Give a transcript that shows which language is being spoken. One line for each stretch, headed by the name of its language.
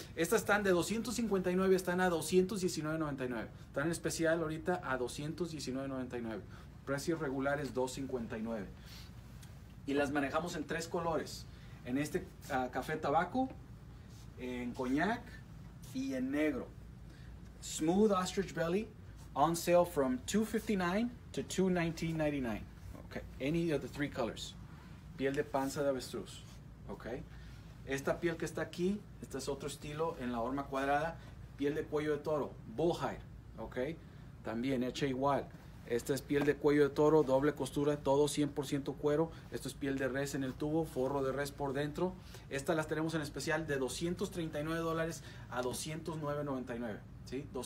Spanish: Estas están de $259, están a $219.99. Están en especial ahorita a $219.99. Precio regular es $259. Y las manejamos en tres colores. En este café tabaco, en coñac y en negro.
English: Smooth ostrich belly, on sale from $259 to $219.99. Okay. Any of the three colors.
Spanish: Piel de panza de avestruz, ok. Esta piel que está aquí, este es otro estilo en la horma cuadrada, piel de cuello de toro, bullhide, ok. También hecha igual. Esta es piel de cuello de toro, doble costura, todo 100% cuero. Esto es piel de res en el tubo, forro de res por dentro. Estas las tenemos en especial de $239 a $209.99, ¿sí?